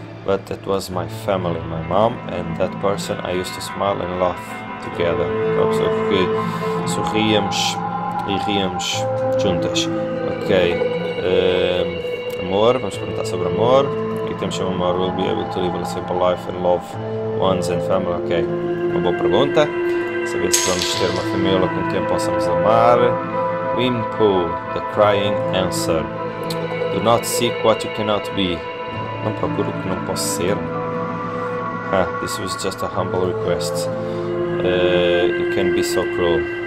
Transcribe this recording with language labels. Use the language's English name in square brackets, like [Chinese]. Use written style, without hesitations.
[English] But that was my family, my mom and that person I used to smile and laugh. Together, [Portuguese] aquela pessoa que sorríamos e ríamos juntas. Ok, amor, vamos perguntar sobre amor. Aqui temos que amor [English] will be able to live a simple life and love ones and family. [Portuguese] Ok, uma boa pergunta. Saber se vamos ter uma família com quem possamos amar. [English] Wim Poo, the crying answer. Do not seek what you cannot be. [Portuguese] Não procuro o que não posso ser. [English] This was just a humble request. You can be so cruel.